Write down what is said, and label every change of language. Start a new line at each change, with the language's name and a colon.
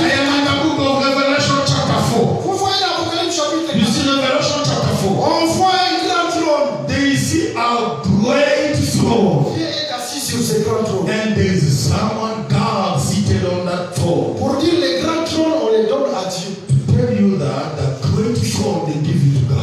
English: I am in the book of Revelation chapter 4.
French: Vous voyez l'Apocalypse chapitre.
English: You see Revelation chapter 4.
French: On voit un grand trône.
English: There is a great throne.
French: Dieu est assis sur ce grand trône.
English: And there is someone, God, seated on that throne.
French: Pour dire les grands trônes, on les donne à Dieu.
English: To tell you that the great throne they give you.